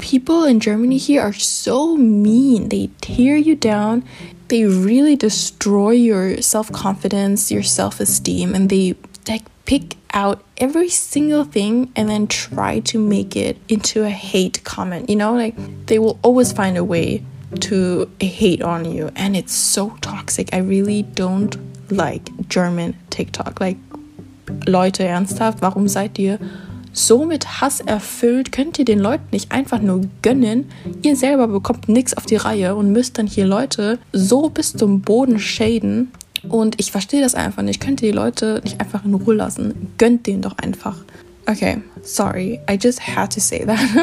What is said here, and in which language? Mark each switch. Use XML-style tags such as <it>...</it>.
<en>People in Germany here are so mean. They tear you down, they really destroy your self-confidence, your self-esteem, and they like pick out every single thing and then try to make it into a hate comment, you know? Like, they will always find a way to hate on you, and it's so toxic. I really don't like German TikTok.</en> <de>Like, Leute, ernsthaft, warum seid ihr so mit Hass erfüllt? Könnt ihr den Leuten nicht einfach nur gönnen? Ihr selber bekommt nichts auf die Reihe und müsst dann hier Leute so bis zum Boden schäden. Und ich verstehe das einfach nicht. Könnt ihr die Leute nicht einfach in Ruhe lassen? Gönnt denen doch einfach.</de> <en>Okay, sorry, I just had to say that.</en>